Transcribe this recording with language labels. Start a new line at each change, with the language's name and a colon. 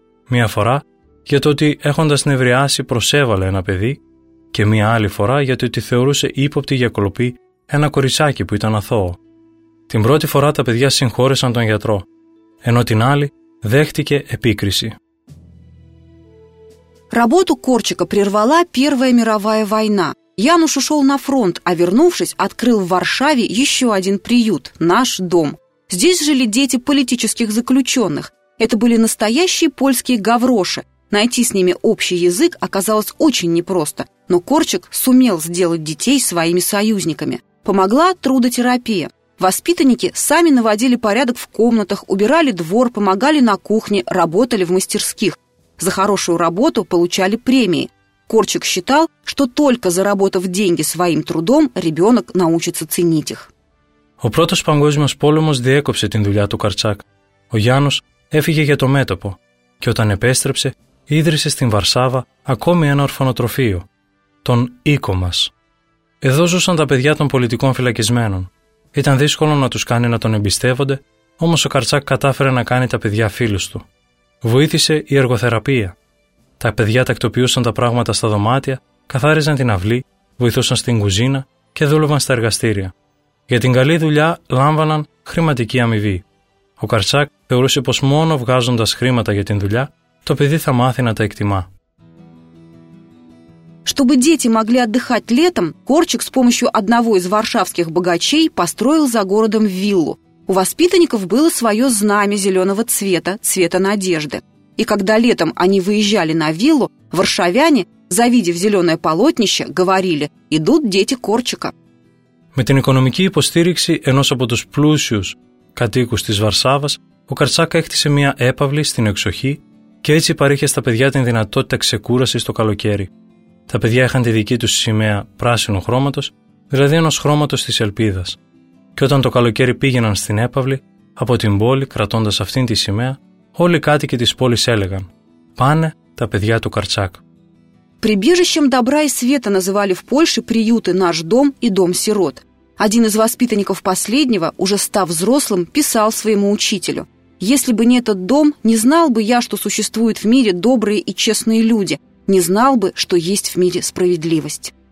Greek: Μία φορά για το ότι έχοντας νευριάσει προσέβαλε ένα παιδί και μία άλλη φορά γιατί ότι θεωρούσε ύποπτη για κολοπή ένα κοριτσάκι που ήταν αθώο. Την πρώτη φορά τα παιδιά συγχώρεσαν τον γιατρό, ενώ την άλλη δέχτηκε επίκριση.
Russian: Работу Корчика прервала Первая мировая война. Януш ушел на фронт, а вернувшись, открыл в Варшаве еще один приют – наш дом. Здесь жили дети политических заключенных. Это были настоящие польские гавроши. Найти с ними общий язык оказалось очень непросто, но Корчик сумел сделать детей своими союзниками. Помогла трудотерапия. Воспитанники сами наводили порядок в комнатах, убирали двор, помогали на кухне, работали в мастерских. За хорошую работу получали премии. Корчик считал, что только заработав деньги своим трудом, ребенок научится ценить их.
Greek: Ο πρώτος παγκόσμιος πόλεμος διέκοψε την δουλειά του Καρτσάκ. Ο Γιάννος έφυγε για το μέτωπο και όταν επέστρεψε, ίδρυσε στην Βαρσάβα ακόμη ένα ορφανοτροφείο, τον Οίκο μας. Εδώ ζούσαν τα παιδιά των πολιτικών φυλακισμένων. Ήταν δύσκολο να τους κάνει να τον εμπιστεύονται, όμως ο Καρτσάκ κατάφερε να κάνει τα παιδιά φίλους του. Βοήθησε η εργοθεραπεία. Τα παιδιά τακτοποιούσαν τα πράγματα στα δωμάτια, καθάριζαν την αυλή, βοηθούσαν στην κουζίνα και δούλευαν στα εργαστήρια. Για την καλή δουλειά λάμβαναν χρηματική αμοιβή. Ο Καρτσάκ θεωρούσε πως μόνο βγάζοντας χρήματα για την δουλειά, το παιδί θα μάθει να τα εκτιμά.
Russian: Чтобы дети могли отдыхать летом, Корчик с помощью одного из варшавских богачей построил за городом виллу. У воспитанников было свое знамя зеленого цвета, цвета надежды. И когда летом они выезжали на виллу, варшавяне, завидев зеленое полотнище, говорили: «Идут дети Корчика».
Greek: Με την οικονομική υποστήριξη ενός από τους πλούσιους κατοίκους της Βαρσάβας, ο Καρτσάκ έκτισε μια έπαυλη στην εξοχή και έτσι παρήχε στα παιδιά την δυνατότητα ξεκούρασης το καλοκαίρι. Τα παιδιά είχαν τη δική τους σημαία πράσινου χρώματος, δηλαδή ενός χρώματος της ελπίδας. Και όταν το καλοκαίρι πήγαιναν στην έπαυλη, από την πόλη κρατώντας αυτήν τη σημαία, όλοι οι κάτοικοι της πόλης έλεγαν: «Πάνε τα παιδιά του Καρτσάκ».
Russian: Прибежищем добра и света называли в Польше приюты «Наш дом» и «Дом сирот». Один из воспитанников последнего, уже став взрослым, писал своему учителю: «Если бы не этот дом, не знал бы я, что существуют в мире добрые и честные люди, не знал бы, что есть в мире справедливость».